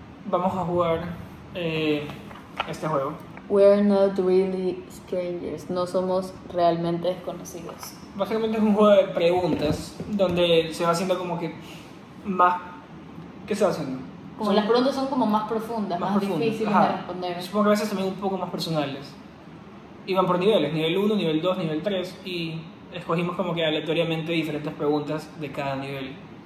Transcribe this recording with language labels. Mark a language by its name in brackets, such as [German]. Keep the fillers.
[Spanish] Vamos a jugar eh, este juego. [English] We are not really strangers. [Spanish] No somos realmente desconocidos. Básicamente es un juego de preguntas donde se va haciendo como que más. ¿Qué se va haciendo? Como son las preguntas son como más profundas, más, más difíciles de responder. Supongo que a veces también un poco más personales iban por niveles, nivel 1, nivel 2, nivel 3, y escogimos como que aleatoriamente diferentes preguntas de cada nivel.